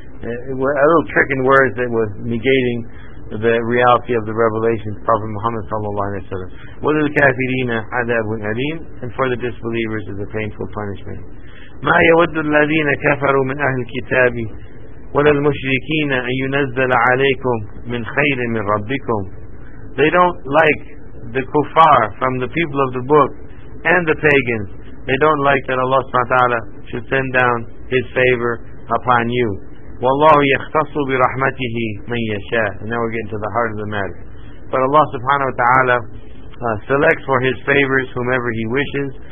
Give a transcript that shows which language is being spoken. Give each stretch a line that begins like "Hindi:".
English: A little trick in words that was negating the reality of the revelations of Prophet Muhammad sallallahu alaihi wasallam. What is the
Arabic: kafirina adabun alim,
English: and for the disbelievers is a painful punishment.
Arabic: ما يود الذين كفروا من أهل الكتاب ولا المشركين أن ينزل عليكم من خير من ربكم.
English: They don't like the kuffar from the people of the book and the pagans. They don't like that Allah subhanahu wa ta'ala should send down His favor upon you.
Arabic: وَاللَّهُ يَخْتَصُ بِرَحْمَتِهِ مَنْ يَشَاءُ,
English: and now we're getting to the heart of the matter. But Allah subhanahu wa ta'ala selects for His favors whomever He wishes.